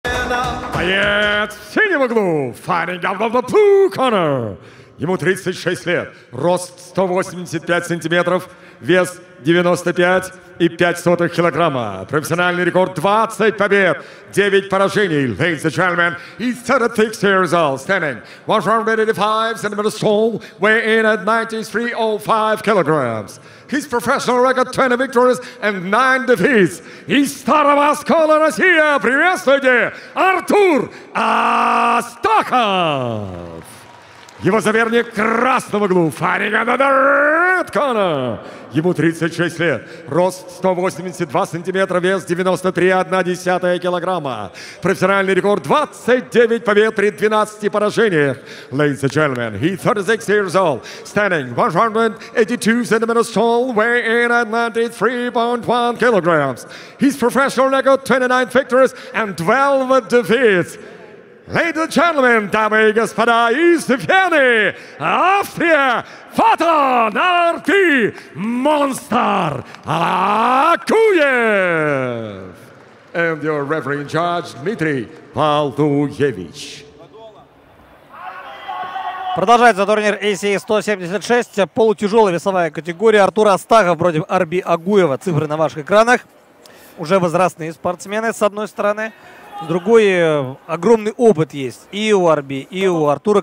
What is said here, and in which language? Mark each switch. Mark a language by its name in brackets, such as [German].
[Russian] Боец в синем углу, [English] Firing out of the blue corner. [Russian] Ему 36 лет, рост 185 сантиметров, вес 95,5 килограмма. Профессиональный рекорд 20 побед, 9 поражений. [English] Ladies and gentlemen, he's 36 years old, standing 185 centimeters tall, weighing at 93.05 kilograms. His professional record 20 victories and 9 defeats. [Russian] Из Старомоскова, Россия, приветствуйте, Артур Астахов! Его соперник в красном углу, [English] Firing out of the red corner. [Russian] Ему 36 лет, рост 182 сантиметра, вес 93,1 килограмма. Профессиональный рекорд 29 побед при 12 поражениях. [English] Ladies and gentlemen, he 36 years old, standing 182 centimeters tall, weighing at 93.1 kilograms. His professional record 29 victories and 12 defeats. Ladies and gentlemen, [Russian] дамы и господа, из Вены, Австрия, Фотон Арти, Монстр Акуев! [English] And your referee in charge, Дмитрий Палтуевич. [Russian] Продолжается турнир ACE-176, полутяжелая весовая категория. Артур Астахов против Арби Агуева. Цифры на ваших экранах. Уже возрастные спортсмены, с одной стороны. С другой, огромный опыт есть и у Арби, и у Артура.